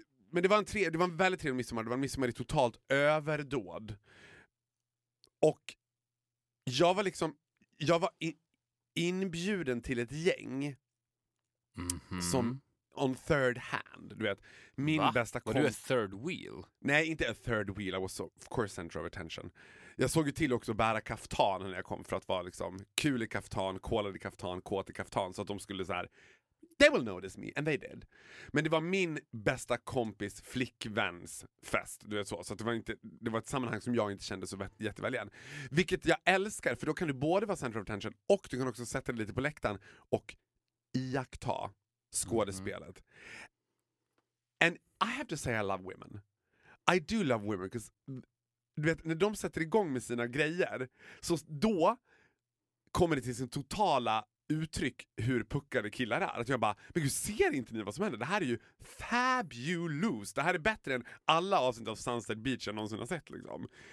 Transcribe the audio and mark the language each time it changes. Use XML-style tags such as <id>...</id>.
<sv>Men det var en väldigt trevlig midsommar. Det var en midsommar i totalt överdåd. Och jag var liksom... Jag var inbjuden till ett gäng som</sv> <en>on third hand,</en> <sv>du vet. Min bästa kompis. Var du</sv> <en>a third wheel? Nej, inte a third wheel. I was of course center of attention.</en> <sv>Jag såg ju till också att bära kaftan när jag kom, för att vara liksom kul i kaftan, kolad i kaftan, kåt i kaftan. Så att de skulle så här:</sv> <en>they will notice me, and they did.</en> <sv>Men det var min bästa kompis flickväns fest, du vet, så. Så att det var ett sammanhang som jag inte kände så jätteväl igen. Vilket jag älskar, för då kan du både vara</sv> <en>center of attention</en> <sv>och du kan också sätta dig lite på läktaren och iaktta skådespelet.</sv> <en>And I have to say I love women. I do love women, because</en> <sv>du vet, när de sätter igång med sina grejer, så då kommer det till sin totala uttryck hur puckade killar är. Att jag bara, men gud, ser inte ni vad som händer? Det här är ju fabulous. Det här är bättre än alla avsnitt av Sunset Beach jag någonsin har sett, liksom.</sv>